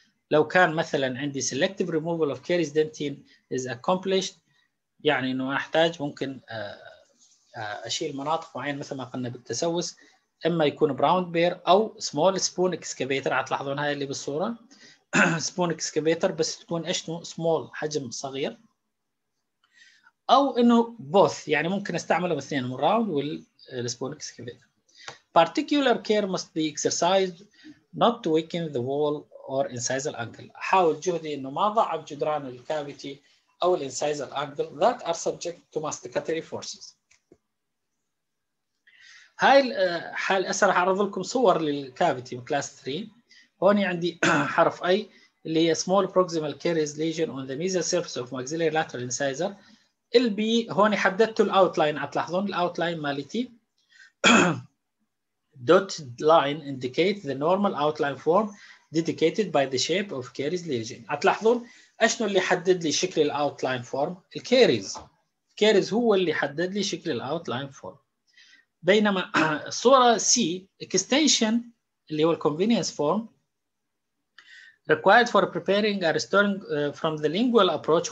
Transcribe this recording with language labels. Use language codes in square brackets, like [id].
[ar] لو كان مثلا عندي [en] selective removal of caries dentin is accomplished [ar] يعني إنه أحتاج ممكن أشيل مناطق معينة مثل ما قلنا بالتسوس إما يكون براون بير أو سمول سبون إكسكافيتر هتلاحظون هاي اللي بالصورة سبون إكسكافيتر بس تكون إشنو سمول حجم صغير أو إنه بوث يعني ممكن أستعملهم اثنين الراوند والسبون إكسكافيتر. [en] Particular care must be exercised not to weaken the wall or incisal angle. [ar] أحاول جهدي إنه ما ضعف جدران الكافيتي أو الإنسايزال أنجل [en] that are subject to masticatory forces. [ar] هاي الحال هسه راح اعرض لكم صور للكافيتي من كلاس 3. هون عندي حرف اي اللي هي [en] small proximal caries lesion on the mesial surface of maxillary lateral incisor. [ar] البي هون حددت الاوتلاين هتلاحظون الاوتلاين مالتي [en] dotted line indicate the normal outline form dedicated by the shape of Caries lesion. [ar] هتلاحظون اشنو اللي حدد لي شكل الاوتلاين فورم؟ الكاريز. الكاريز هو اللي حدد لي شكل الاوتلاين فورم. بينما الصوره سي اكستنشن اللي هو الكونفينينس فورم [en] required for preparing a restoring from the lingual approach.